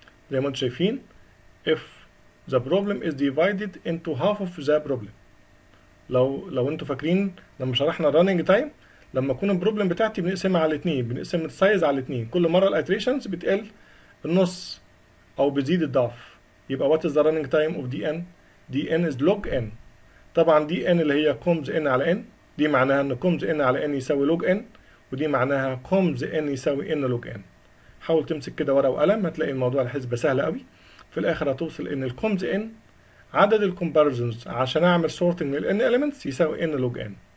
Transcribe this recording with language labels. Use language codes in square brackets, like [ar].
[ar] زي ما انتم شايفين [en] if the problem is divided into half of the problem. [ar] لو انتوا فاكرين لما شرحنا الرننج تايم، لما اكون البروبلم بتاعتي بنقسمها على 2، بنقسم السايز على 2، كل مره الايتريشنز بتقل النص او بتزيد الضعف. [en] يبقى what is the running time of dn؟ dn is log n. [ar] طبعا dn اللي هي كومز n على n، دي معناها ان كومز n على n يساوي log n، ودي معناها كومز n يساوي n log n. حاول تمسك كده ورقه وقلم هتلاقي الموضوع الحسبه سهله قوي. في الاخر هتوصل ان الكومز n عدد الكومبارزنز عشان اعمل سورتنج للn elements يساوي n log n.